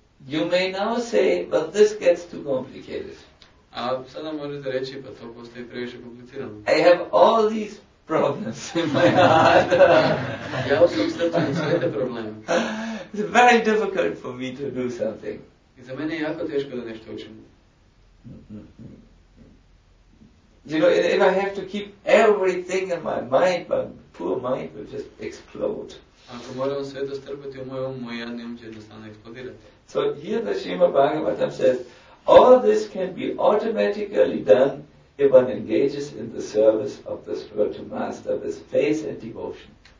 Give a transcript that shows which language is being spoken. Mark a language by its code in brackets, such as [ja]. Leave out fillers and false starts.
[en] You may now say, but this gets too complicated. [bs] A sada možete reći, pa to postoji previše komplicirano. [en] I have all these problems in my heart. [bs] Ja u svom srcu imam sve te probleme. [en] It's very difficult for me to do something. [bs] I za mene je jako teško da nešto učim. [en] You know, if I have to keep everything in my mind, my poor mind will just explode. [bs] Ako moram sve to strpati u moj um, moj jednom će jednostavno eksplodirati. [en] So here the Srimad Bhagavatam says, all this can be automatically done if one engages in the service of the spiritual master with faith and devotion.